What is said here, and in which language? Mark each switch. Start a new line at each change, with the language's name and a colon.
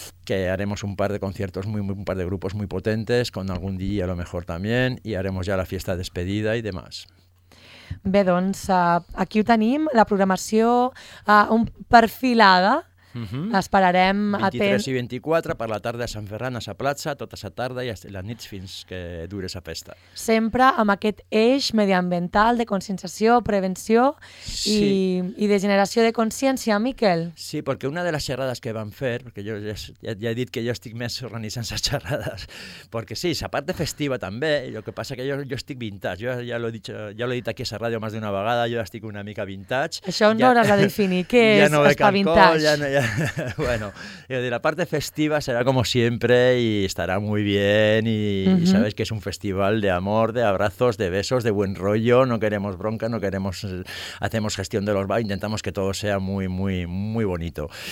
Spanish: que haremos un par de conciertos, un par de grupos muy potentes, con algún DJ a lo mejor también, y haremos ya la fiesta de despedida y demás.
Catalan: Bé, doncs, aquí ho tenim, la programació perfilada Esperarem 23 i 24 per la tarda a Sant Ferran, a la platja, tota la tarda i la nit fins que dure la festa. Sempre amb aquest eix mediambiental de conscienciació, prevenció i de generació de consciència, Miquel. Sí, perquè una de les xerrades que vam fer, perquè jo ja he dit que jo estic més organitzant les xerrades, perquè sí, la part de festiva també, el que passa que jo estic vintage, jo ja l'he dit aquí a la ràdio més d'una vegada, jo estic una mica vintage. Això no hauràs de definir, què és no estar alcohol, vintage?
Spanish: Ja no, ja, bueno, la parte festiva será como siempre y estará muy bien y, y sabes que es un festival de amor, de abrazos, de besos, de buen rollo, no queremos bronca, no queremos, hacemos gestión de los bares, intentamos que todo sea muy, muy, muy bonito.